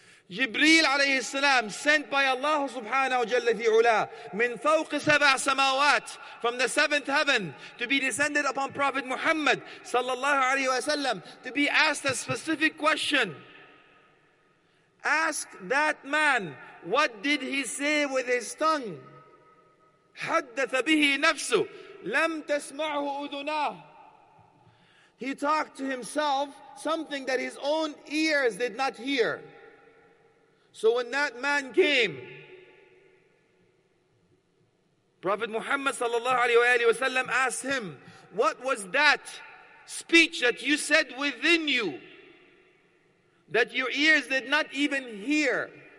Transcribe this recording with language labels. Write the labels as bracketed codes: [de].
[en] Jibreel alayhi salam, sent by Allah subhanahu wa jalla fi ula, min fawq sab'a samawat, from the seventh heaven, to be descended upon Prophet Muhammad sallallahu alaihi wasallam, to be asked a specific question. Ask that man, what did he say with his tongue? [ar] حدث به نفسه لم تسمعه أذناه. [en] He talked to himself something that his own ears did not hear. So when that man came, Prophet Muhammad sallallahu alayhi wa sallam asked him, what was that speech that you said within you that your ears did not even hear?